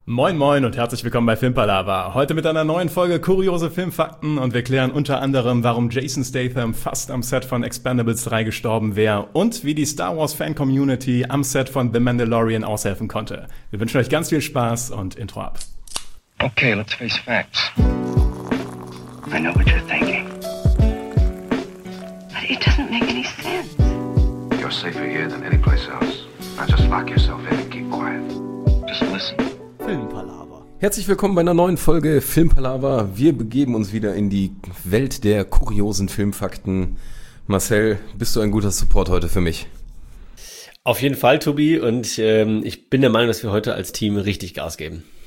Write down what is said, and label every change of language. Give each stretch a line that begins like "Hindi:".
German: Moin moin und herzlich willkommen bei Filmpalava. Heute mit einer neuen Folge kuriose Filmfakten und wir klären unter anderem, warum Jason Statham fast am Set von Expendables 3 gestorben wäre und wie die Star Wars Fan Community am Set von The Mandalorian aushelfen konnte. Wir wünschen euch ganz viel Spaß und Intro ab.
English: Okay, let's face facts. I know what you're thinking. But it doesn't make any sense. You're safer here than any place else. Now just lock yourself in and keep quiet. Just listen.
German: Filmpalava. Herzlich willkommen bei einer neuen Folge Filmpalava. Wir begeben uns wieder in die Welt der kuriosen Filmfakten. Marcel, bist du ein guter Support heute für mich? Auf jeden Fall, Tobi. Und ich bin der Meinung, dass wir heute als Team richtig Gas geben.